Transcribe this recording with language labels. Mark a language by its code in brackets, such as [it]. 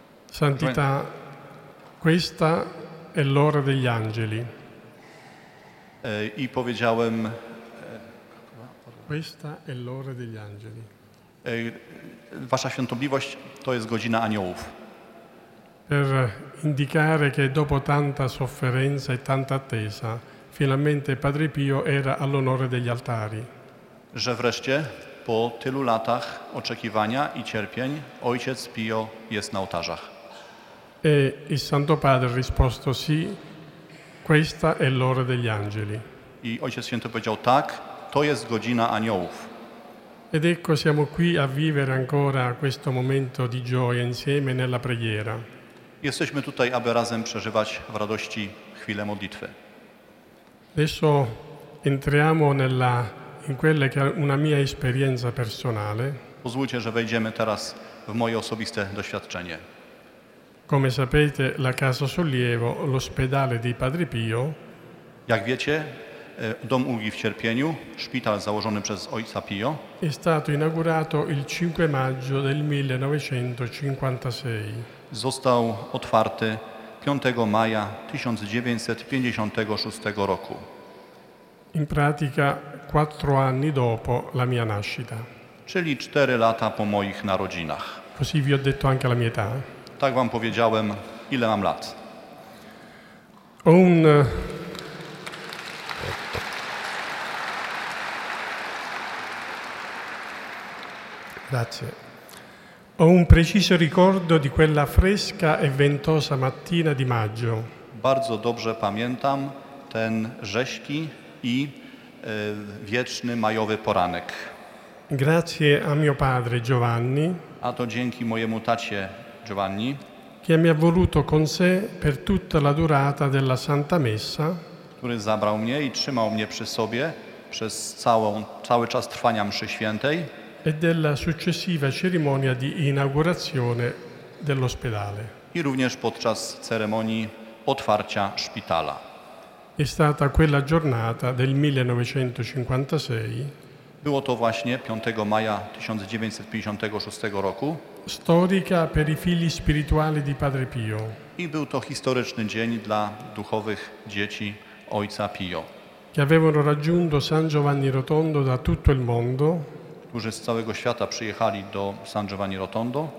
[it] Santità, questa è l'ora degli angeli. [pl] I powiedziałem, [it] questa è l'ora degli angeli. [pl] Wasza świątobliwość, to jest godzina aniołów. [it] Per indicare che dopo tanta sofferenza e tanta attesa, finalmente Padre Pio era all'onore degli altari. [pl] Że wreszcie, po tylu latach oczekiwania i cierpień, ojciec Pio jest na ołtarzach. [it] E il Santo Padre risposto sì, questa è l'ora degli angeli. [pl] I ojciec święty powiedział tak, to jest godzina aniołów. [it] Ed ecco siamo qui a vivere ancora questo momento di gioia insieme nella preghiera. [pl] Jesteśmy tutaj, aby razem przeżywać w radości chwilę modlitwy. [it] Adesso entriamo nella in quella che è una mia esperienza personale. [pl] Pozwólcie, że wejdziemy teraz w moje osobiste doświadczenie. [it] Come sapete, la Casa Sollievo, l'ospedale di Padre Pio. [pl] Jak wiecie, dom ulgi w cierpieniu, szpital założony przez ojca Pio, [it] è stato inaugurato il 5 maggio del 1956. [pl] Został otwarty 5 maja 1956 roku. [it] In pratica 4 anni dopo la mia nascita. [pl] Czyli 4 lata po moich narodzinach. [it] Così vi ho detto anche la mia età. [pl] Tak wam powiedziałem, ile mam lat. [it] Grazie. Ho un preciso ricordo di quella fresca e ventosa mattina di maggio. [pl] Bardzo dobrze pamiętam ten rześki i wieczny majowy poranek. [it] Grazie a mio padre Giovanni. [pl] A to dzięki mojemu tacie Giovanni. [it] Che mi ha voluto con sé per tutta la durata della Santa Messa. [pl] Który zabrał mnie i trzymał mnie przy sobie przez cały czas trwania mszy świętej. [it] E della successiva cerimonia di inaugurazione dell'ospedale. [pl] i również podczas ceremonii otwarcia szpitala. [it] È stata quella giornata del 1956. [pl] Było to właśnie 5 maja 1956 roku. [it] Storica per i figli spirituali di Padre Pio. [pl] I był to historyczny dzień dla duchowych dzieci ojca Pio. [it] Che avevano raggiunto San Giovanni Rotondo da tutto il mondo. [pl] Którzy z całego świata przyjechali do San Giovanni Rotondo.